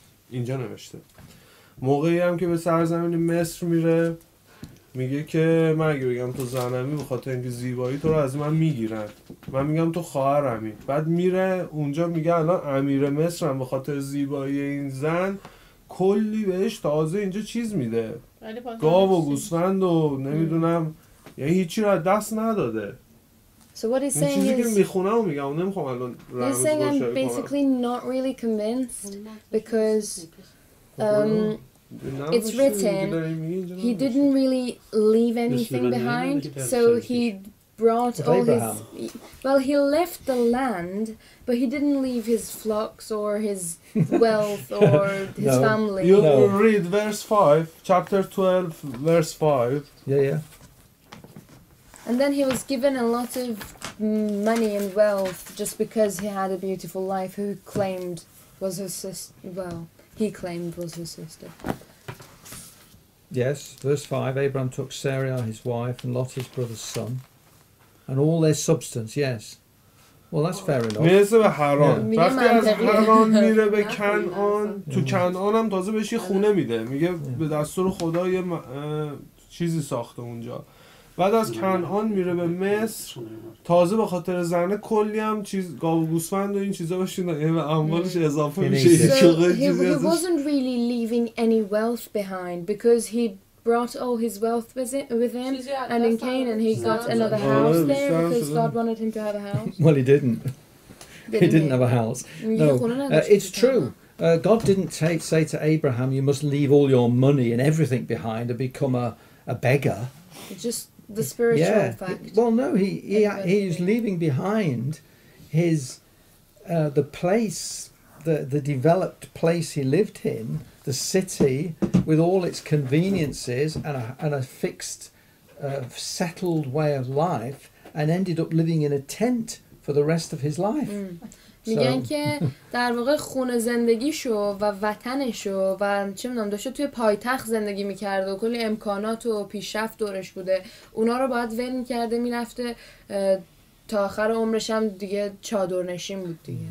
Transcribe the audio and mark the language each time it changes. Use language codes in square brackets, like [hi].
[fa] اینجا نوشته موقعی هم که به سرزمین مصر میره میگه که من اگه بگم تو زنمی بخاطر اینکه زیبایی تو رو از من میگیرن، من میگم تو خواهرمی، بعد میره اونجا میگه الان امیر مصر هم بخاطر زیبایی این زن کلی بهش تازه اینجا چیز میده، گاو و گوسفند و نمیدونم، یعنی هیچی رو دست نداده. [en] So what he's saying is, he's saying I'm basically not really convinced because it's written, he didn't really leave anything behind, so he brought all his, well he left the land, but he didn't leave his flocks or his wealth or his family. You read verse 5, chapter 12, verse 5. Yeah. And then he was given a lot of money and wealth just because he had a beautiful wife who claimed was his sister. Well, he claimed was his sister. Yes, verse 5, Abraham took Sarai, his wife, and Lot, his brother's son, and all their substance, yes. Well, that's fair enough. [fa] میرسه به حران. وقتی از حران میره به کنعان، تو کنعان هم تازه بهش یه خونه میده. میگه به دستور خدا یه چیزی ساخته اونجا. بعد از کنعان میره به مصر، تازه به خاطر زنه کلی هم چیز گاو و گوسفند و این چیزا باشین و اموالش اضافه میشه. [en] He wasn't really leaving any wealth behind because he brought all his wealth with him and in Canaan he got another house there because God wanted him to have a house. Well, he didn't. He didn't have a house. No. It's true. God didn't say to Abraham, you must leave all your money and everything behind and become a beggar. Just the spiritual fact. Well, no, he's leaving behind his the place, the developed place he lived in, the city with all its conveniences and a fixed, settled way of life, and ended up living in a tent for the rest of his life. [fa] میگن که در واقع خونه زندگیشو و وطنشو و چه میدونم داشته توی پایتخت زندگی میکرده و کلی امکانات و پیشرفت دورش بوده، اونا رو باید ول میکرده میرفته تا آخر عمرش هم دیگه چادر نشین بود دیگه.